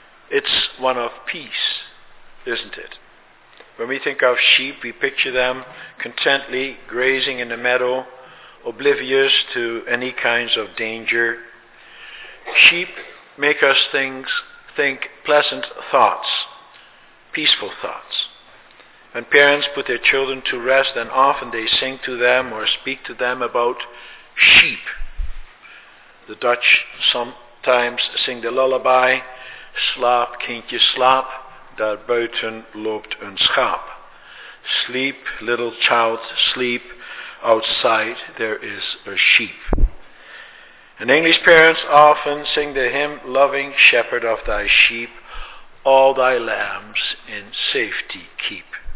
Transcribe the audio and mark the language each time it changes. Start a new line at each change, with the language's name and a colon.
English: It's one of peace, isn't it? When we think of sheep, we picture them contently grazing in the meadow, oblivious to any kinds of danger. Sheep make us think pleasant thoughts, peaceful thoughts. When parents put their children to rest, then often they sing to them or speak to them about sheep.
Dutch: The Dutch sometimes sing the lullaby, slaap kindje slaap, daar buiten loopt een schaap.
English: Sleep, little child, sleep, outside there is a sheep. And English parents often sing the hymn, loving shepherd of thy sheep, all thy lambs in safety keep.